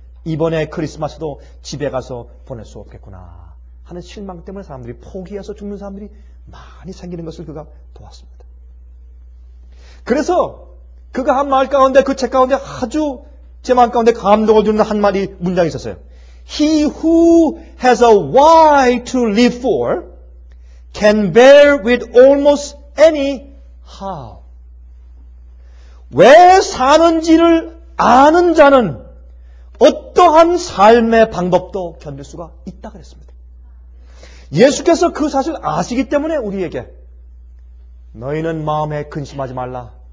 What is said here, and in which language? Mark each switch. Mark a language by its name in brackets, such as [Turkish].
[Korean] 이번에 크리스마스도 집에 가서 보낼 수 없겠구나 하는 실망 때문에 사람들이 포기해서 죽는 사람들이 많이 생기는 것을 그가 보았습니다. 그래서 그가 한 말 가운데 그 책 가운데 아주 제 마음 가운데 감동을 주는 한 마디 문장이 있었어요. [English] He who has a why to live for can bear with almost any how. [Korean] 왜 사는지를 아는 자는 어떠한 삶의 방법도 견딜 수가 있다 그랬습니다. 예수께서 그 사실 아시기 때문에 우리에게 너희는 마음에 근심하지 말라.